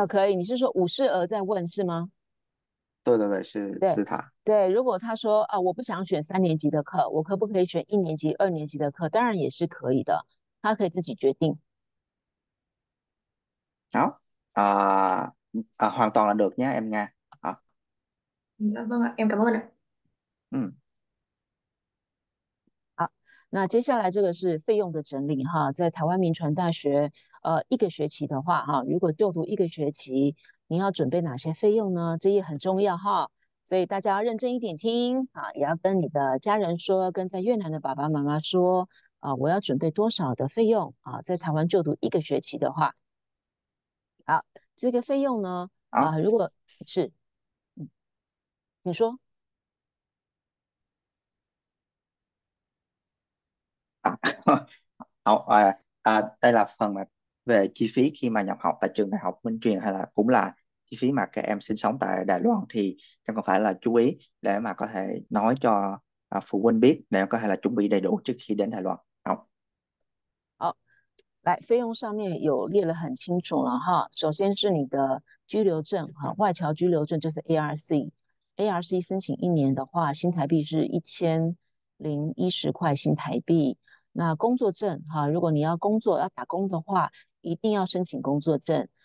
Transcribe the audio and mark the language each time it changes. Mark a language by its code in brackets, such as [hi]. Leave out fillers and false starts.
[zh] 可以，你是说五十额在问是吗？对对对是对。是他。对，如果他说我不想选三年级的课，我可不可以选一年级、二年级的课？当然也是可以的，他可以自己决定。 [vi] Hoàn toàn là được nhé em nha. Vâng ạ, em cảm ơn ạ. [zh] 那接下来这个是费用的整理哈，在台湾明传大学，一个学期的话哈，如果就读一个学期，你要准备哪些费用呢？这也很重要哈，所以大家要认真一点听啊，也要跟你的家人说，跟在越南的爸爸妈妈说啊，我要准备多少的费用啊，在台湾就读一个学期的话，好，这个费用呢好，啊，如果是，你说。 [vi] đây là phần mà về chi phí khi mà nhập học tại trường đại học Minh Truyền, hay là cũng là chi phí mà các em sinh sống tại Đài Loan, thì em còn phải là chú ý để mà có thể nói cho phụ huynh biết, để có thể là chuẩn bị đầy đủ trước khi đến Đài Loan. [zh] 来，费用上面有列得很清楚了哈。首先是你的居留证哈，外侨居留证就是 ARC，ARC 申请一年的话，新台币是1010块新台币。那工作证哈，如果你要工作要打工的话，一定要申请工作证。